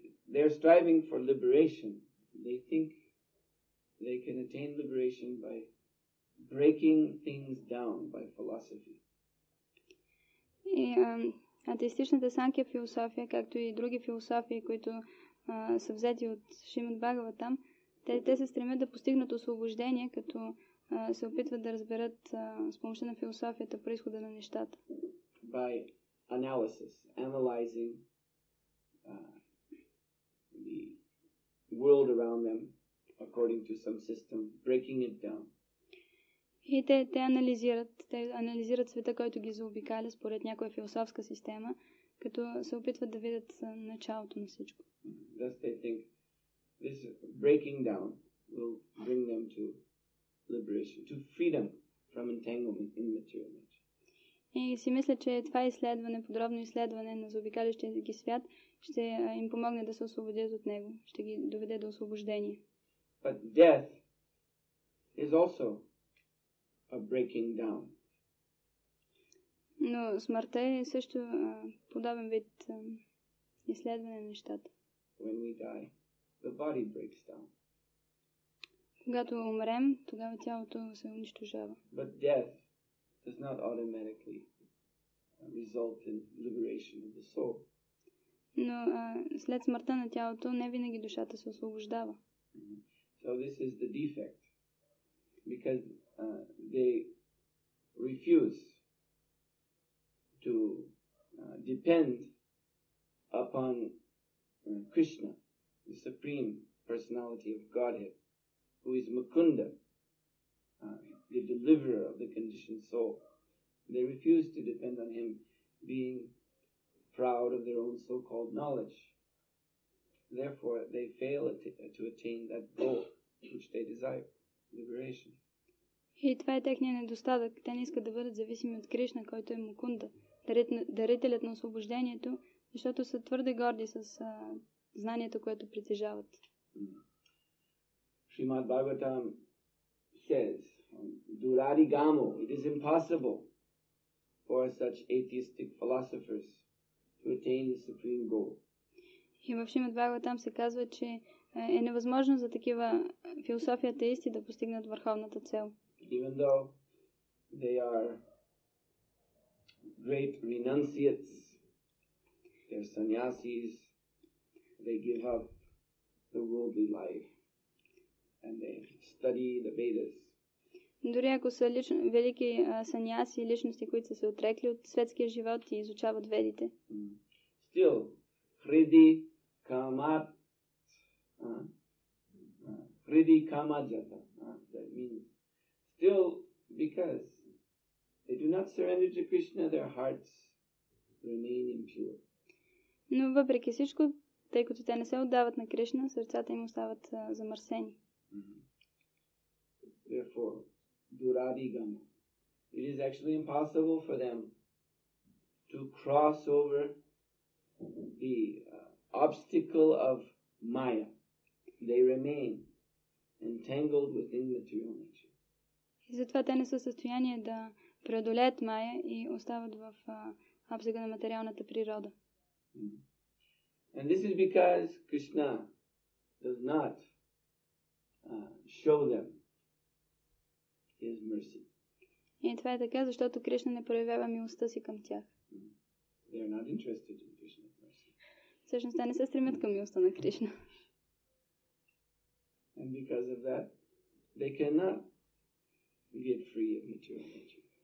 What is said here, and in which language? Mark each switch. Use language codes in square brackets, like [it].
[en] They're striving for liberation. They think they can attain liberation by breaking things down by philosophy. [bg] И атеистичната Санкхя философия, както и други философии, които са взети от Шримад Бхагава там, те се стремят да постигнат освобождение, като се опитват да разберат с помощта на философията произхода на нещата. [en] By analysis, analyzing the world around them according to some system, breaking it down. [bg] И те анализират света, който ги заобикаля според някоя философска система, като се опитват да видят началото на всичко. [en] Thus they think this breaking down will bring them to liberation, to freedom from entanglement in material nature. [bg] И си мисля, че това изследване, подробно изследване на заобикалящия ги свят, ще им помогне да се освободят от него, ще ги доведе до освобождение. [en] But death is also a breaking down. [bg] Но смъртта е също подобен вид изследване на нещата. [en] When we die, the body breaks down. [bg] Когато умрем, тогава тялото се унищожава. [en] But death does not automatically result in liberation of the soul. [bg] Но след смъртта на тялото не винаги душата се освобождава. [en] So this is the defect. Because they refuse to depend upon Krishna, the supreme personality of Godhead, who is Mukunda, the deliverer of the conditioned soul. They refuse to depend on him, being proud of their own so-called knowledge. Therefore, they fail to attain that goal which they desire, liberation. [bg] И това е техния недостатък. Те не искат да бъдат зависими от Кришна, който е Мукунда, дарителят на освобождението, защото са твърде горди с знанието, което притежават. [en] Шримад Бхагаватам says, [sa] Дурари гамо, [en] it is impossible for such atheistic philosophers to attain the supreme goal. [bg] И в Шримад Бхагаватам се казва, че е невъзможно за такива философия атеисти да постигнат върховната цел. [en] Even though they are great renunciates, they're sannyasis, they give up the worldly life and they study the Vedas. [bg] Дори ако са велики саньяси, личности, които са се отрекли от светския живот и изучават ведите. [en] Still, [sa] хриди камат, хриди камаджата, [en] that means still, because they do not surrender to Krishna, their hearts remain impure. [bg] Но въпреки всичко, тъй като те не се отдават на Кришна, сърцата им остават замърсени. [en] Therefore, [sa] дурари гама. [en] It is actually impossible for them to cross over the obstacle of Maya. They remain entangled within material nature. [bg] И затова те не са в състояние да преодолеят Майя и остават в обсега на материалната природа. [en] And this is because Krishna does not show them his mercy. [bg] И това е така, защото Кришна не проявява милостта си към тях. [en] They are not interested in Krishna's mercy. [bg] Всъщност те не се стремят към милостта на Кришна. [en] And because of that, they cannot get free of material nature.